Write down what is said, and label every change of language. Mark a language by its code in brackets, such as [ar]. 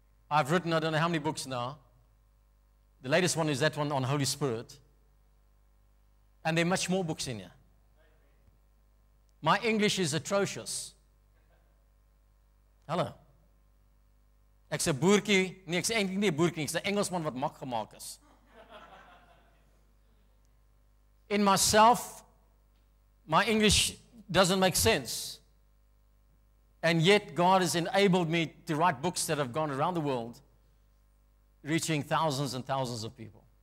[en] I've written, I don't know how many books now. The latest one is that one on Holy Spirit. And there are much more books in here. My English is atrocious. [af] Hallo. Ek se boertjie, nee, ek se eintlik nie 'n boertjie, ek se Engelsman wat mak gemaak is. [en] In myself, my English doesn't make sense. And yet God has enabled me to write books that have gone around the world, reaching thousands and thousands of people.